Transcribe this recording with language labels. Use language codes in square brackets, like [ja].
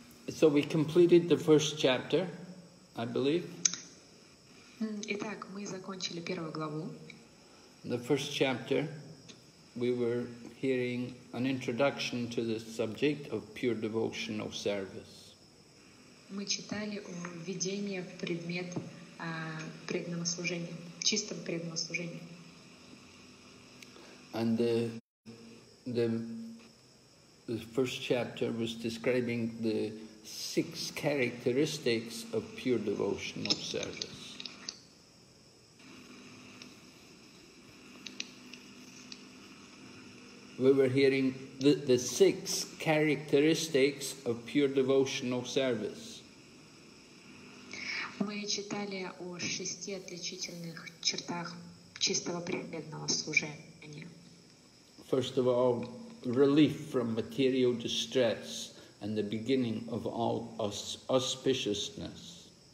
[en] So we completed the first chapter, I believe. [ru] Итак, мы закончили первую главу. [en] The first chapter, we were hearing an introduction to the subject of pure devotional service. [ru] Мы читали о введении в предмет преданного служения, чистом преданного служения. [en] And the first chapter was describing the six characteristics of pure devotional service. We were hearing the six characteristics of pure devotional service. [ru] Мы читали о шести отличительных чертах чистого преданного служения. [en] First of all, relief from material distress and the beginning of all auspiciousness.